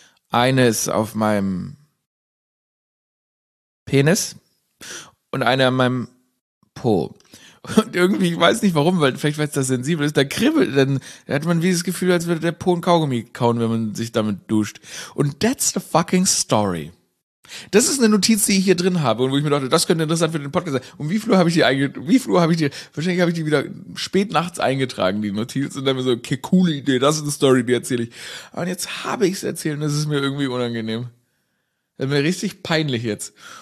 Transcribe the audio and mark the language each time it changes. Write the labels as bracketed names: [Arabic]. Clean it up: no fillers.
[German] Eine ist auf meinem Penis und eine an meinem Po. Und irgendwie, ich weiß nicht warum, weil vielleicht, weil es da sensibel ist, da kribbelt, dann hat man wie das Gefühl, als würde der Po ein Kaugummi kauen, wenn man sich damit duscht. [English] Und that's the fucking story. [German] Das ist eine Notiz, die ich hier drin habe und wo ich mir dachte, das könnte interessant für den Podcast sein. Und wahrscheinlich habe ich die wieder spät nachts eingetragen, die Notiz, und dann mir so, okay, coole Idee, das ist eine Story, die erzähle ich. Und jetzt habe ich es erzählt und das ist mir irgendwie unangenehm. Das ist mir richtig peinlich jetzt.